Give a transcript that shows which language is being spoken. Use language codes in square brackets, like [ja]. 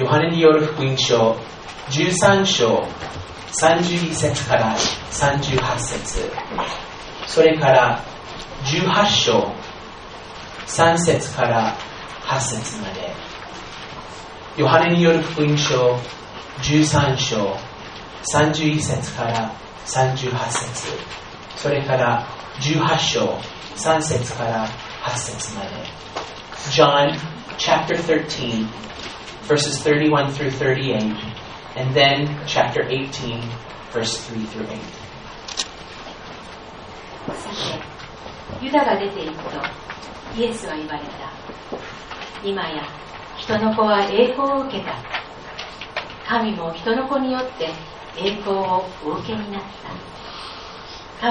[ja] による福音書13章32節から38節、それから18章3節から8節まで。ヨハネによる福音書13章31節から38節、それから18章3節から8節まで。 [en] John chapter 13verses 31 through 38, and then chapter 18, verse 3 through 8. [ja] さて、ユダが出て行くと、イエスは言われた。今や、人の子は栄光を受けた。神も人の子によって栄光をお受けになった。